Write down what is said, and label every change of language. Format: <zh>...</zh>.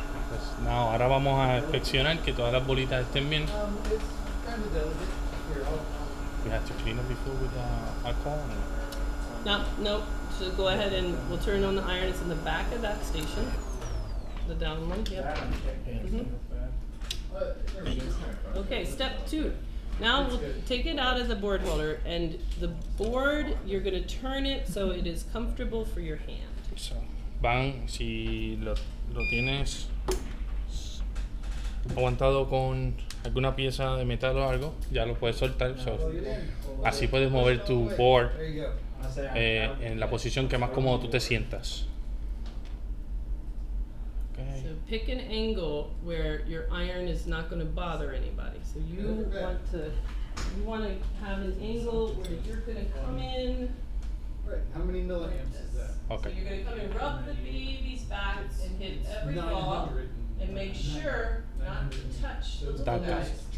<es>Pues now, ahora vamos a inspeccionar que todas las bolitas estén bien.</es> <en>It's kind of delicate. Here, we have to clean it before with alcohol? No. So go ahead and we'll turn on the iron. It's in the back of that station. The down one, yep. Mm-hmm. Okay, step two. Now we'll take it out of the board holder, and the board, you're going to turn it so it is comfortable for your hand.</en> <es>So, van, si lo tienes aguantado con alguna pieza de metal o algo, ya lo puedes soltar. So, así puedes mover tu board en la posición que más cómodo tú te sientas.</es> <en>Okay. So pick an angle where your iron is not going to bother anybody. So you want to have an angle where you're going to come in. Right. How many milliamps is that? Okay. So you're going to come and rub the baby's back and hit every ball and make sure not to touch the little guys.</en>